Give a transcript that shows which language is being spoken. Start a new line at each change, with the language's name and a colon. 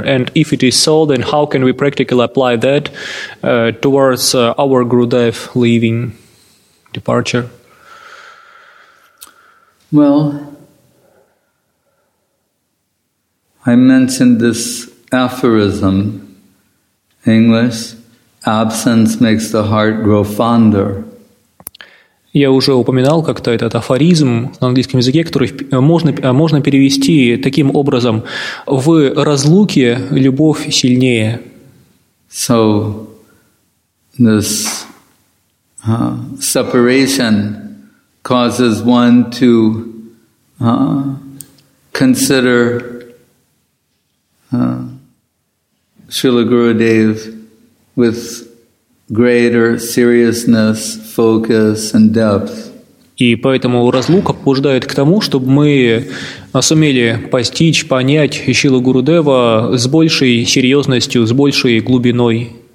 English: And if it is so, then how can we practically apply that towards our Gurudev leaving, departure? Well, I mentioned this aphorism, English, absence makes the heart grow fonder.
Russian: Я уже упоминал как-то этот афоризм на английском языке, который можно перевести таким образом: в разлуке любовь сильнее.
English: So this separation causes one to consider Srila Gurudev with greater seriousness, focus, and depth.
Russian: И поэтому разлука побуждает к тому, чтобы мы сумели постичь, понять Шрилу Гурудева с большей серьезностью, с большей глубиной.